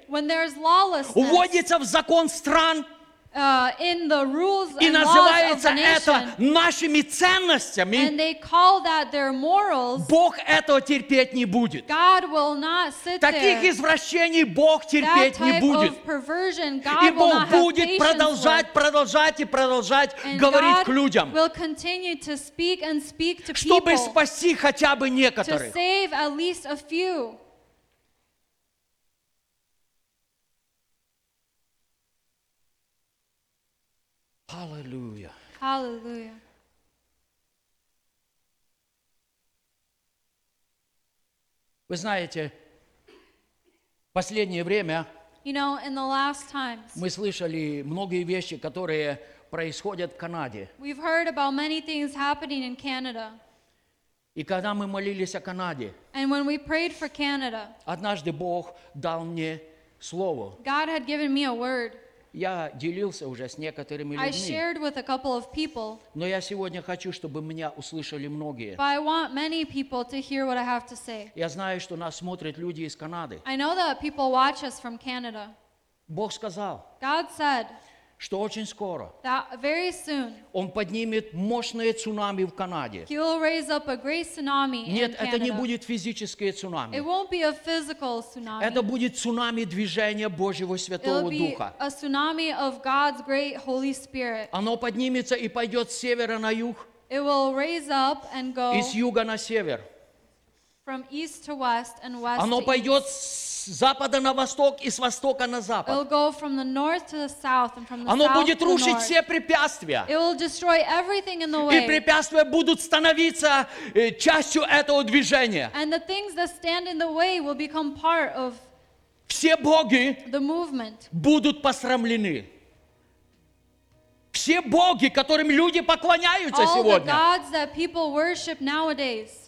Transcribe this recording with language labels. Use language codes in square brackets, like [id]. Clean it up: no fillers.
[en] when there's lawlessness, [ru] вводится в закон стран [en] in the rules [ru] и называется [en] and laws of [ru] это [en] nation, [ru] нашими ценностями, [en] and they call that their morals, [ru] Бог этого терпеть не будет. [en] God will not sit [ru] таких [en] there. [ru] Извращений Бог терпеть [en] that type [ru] не будет. [en] Of perversion, God [ru] и [en] will [ru] Бог [en] not [ru] будет [en] have [ru] продолжать, [en] for. [ru] Продолжать и продолжать [en] and [ru] говорить [en] God [ru] к людям, [en] will continue to speak and speak to [ru] чтобы [en] people, [ru] спасти хотя бы некоторых. [en] To save at least a few. [ru] Аллилуйя. Аллилуйя. Вы знаете, в последнее время [en] you know, in the last times, [ru] мы слышали многие вещи, которые происходят в Канаде. [en] We've heard about many things happening in Canada. [ru] И когда мы молились о Канаде, [en] and when we prayed for Canada, [ru] однажды Бог дал мне слово. [en] God had given me a word. [ru] Я делился уже с некоторыми людьми. [en] I shared with a couple of people. [ru] Но я сегодня хочу, чтобы меня услышали многие. [en] But I want many people to hear what I have to say. [ru] Я знаю, что нас смотрят люди из Канады. [en] I know that people watch us from Canada. [ru] Бог сказал. [en] God said. [ru] Что очень скоро. [en] That very soon. [ru] Он поднимет мощное цунами в Канаде. [en] He will raise up a great tsunami in Canada. [ru] Нет, это не будет физическое цунами. [en] It won't be a physical tsunami. [ru] Это будет цунами движения Божьего Святого Духа. [en] It will be a tsunami of God's great Holy Spirit. [ru] Оно поднимется и пойдет с севера на юг. [en] It will raise up and go. [ru] Из юга на север. [en] From east to west and west. [ru] Оно пойдет с запада на восток и с востока на запад. [en] It'll go from the north to the south and from the [ru] оно [en] south [ru] будет рушить [en] to the north. [ru] Все препятствия. [en] It will destroy everything in the way. [ru] И препятствия будут становиться частью этого движения. [en] And the things that stand in the way will become part of [ru] все боги [en] the movement. [ru] Будут посрамлены. Все боги, которым люди поклоняются [en] all [ru] сегодня. [en] The gods that people worship nowadays.